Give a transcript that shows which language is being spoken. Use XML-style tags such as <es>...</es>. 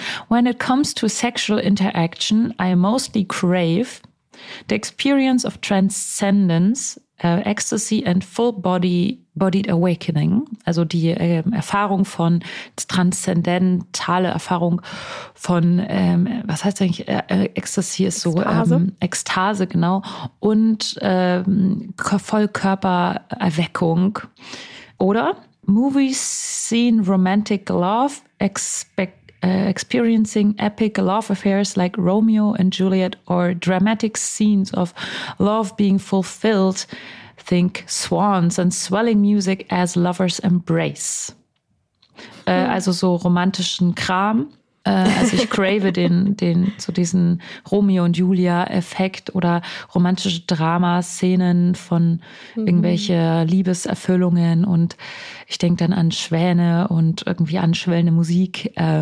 <en>When it comes to sexual interaction, I mostly crave the experience of transcendence, ecstasy and full bodied awakening.</en> <de>Also die Erfahrung von transzendentale Erfahrung von, was heißt eigentlich, Ecstasy ist so Ekstase, genau. Und Vollkörpererweckung.</de> <en>Oder Movie Scene Romantic Love, experiencing epic love affairs like Romeo and Juliet or dramatic scenes of love being fulfilled. Think swans and swelling music as lovers embrace.</en> <de>Also so romantischen Kram. Also ich crave diesen Romeo und Julia Effekt oder romantische Dramaszenen von irgendwelche Liebeserfüllungen und ich denke dann an Schwäne und irgendwie anschwellende Musik.</de>